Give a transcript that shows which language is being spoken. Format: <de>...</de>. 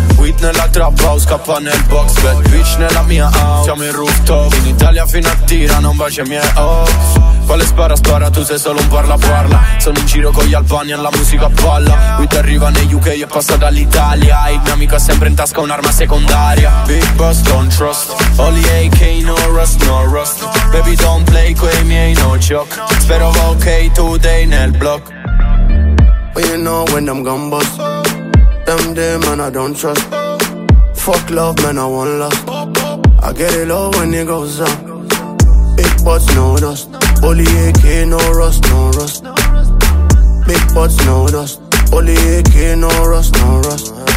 <en>Weed</en> <it>nella</it> <en>trap house,</en> <it>capa nel</it> <en>box. Bad bitch</en> <it>nella mia</it> <en>house,</en> <it>siamo in</it> <en>rooftop.</en> <it>In Italia fino a tira, non bacio i miei ops. Quale spara, spara, tu sei solo un parla, parla. Sono in giro con gli Albani e la musica palla. Weed arriva nei UK e passa dall'Italia. Il mio amico ha sempre in tasca un'arma secondaria.</it> <en>Big boss, don't trust. Only AK, no rust, no rust. Baby, don't play</en> <it>coi miei,</it> <en>no joke.</en> <it>Spero va ok</it> <en>today</en> <it>nel block.</it> <en>But you know when them gun bust, them day man I don't trust. Fuck love, man, I want love. I get it all when it goes up. Big butts, no dust. Only AK, no rust, no rust. Big butts, no dust. Only AK, no rust, no rust.</en>